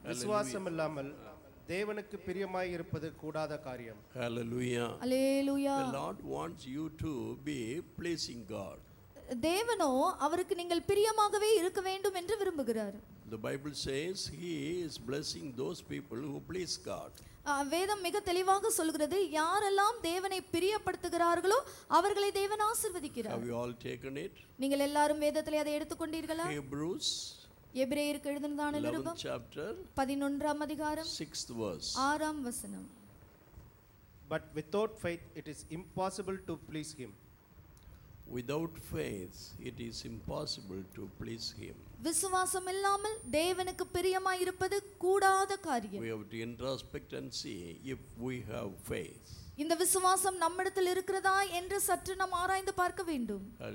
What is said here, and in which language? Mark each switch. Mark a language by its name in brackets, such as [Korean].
[Tamil] விசுவாசம் இல்லாமல் தேவனுக்கு பிரியமாய் இருப்பது கூடாத காரியம். [English] Hallelujah. Hallelujah. The Lord wants you to be pleasing God. [Tamil] தேவனோ அவருக்கு நீங்கள் பிரியமாகவே இருக்க வேண்டும் என்று விரும்புகிறார். [English] The Bible says he is blessing those people who please God. [Tamil] வேதம் மிக தெளிவாக சொல்கிறது, யாரெல்லாம் தேவனை பிரியப்படுத்துகிறார்களோ அவர்களை தேவன் ஆசீர்வதிக்கிறார். [English] Have you all taken it? [Tamil] நீங்கள் எல்லாரும் வேதத்திலே அதை எடுத்துக்கொண்டீர்களா? [English] Hebrews. [Tamil] எபிரேயருக்கு எழுதினதான நிருபம். [English] 11th chapter. [Tamil] 11 அதிகாரம். [English] 6th verse. [Tamil] 6ஆம் வசனம். [English] But without faith it is impossible to please him. Without faith it is impossible to please him. [Tamil] விசுவாசம் இல்லாமல் தேவனுக்கு பிரியமாய் இருப்பது கூடாத காரியம். [English] We have to introspect and see if we have faith. [Tamil] இந்த விசுவாசம் நம்மிடத்தில் இருக்கிறதா என்று சற்று நாம் ஆராய்ந்து பார்க்க வேண்டும்.